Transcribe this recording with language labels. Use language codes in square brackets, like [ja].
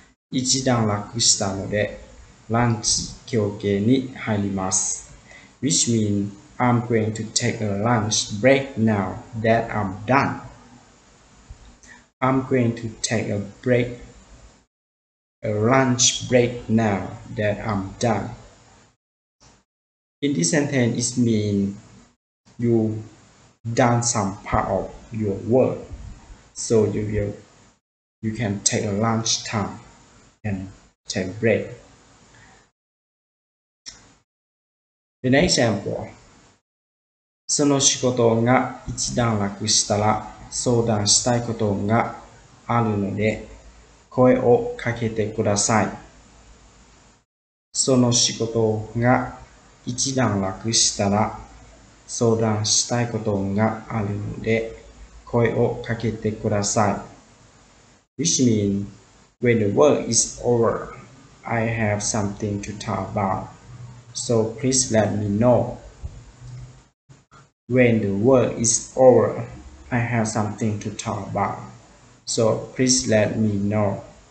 [ja] 一段落したのでランチ休憩に入ります。 [en] Which means I'm going to take a lunch break now that I'm done. I'm going to take a lunch break now that I'm done. In this sentence, it means you done some part of your work, so you can take a lunch time and take a break. The next example. [ja] その仕事が一段落したら相談したいことがあるので声をかけてください。その仕事が一段落したら相談したいことがあるので声をかけてください。 [en] Which means when the work is over, I have something to talk about. So please let me know. When the work is over, I have something to talk about. So please let me know.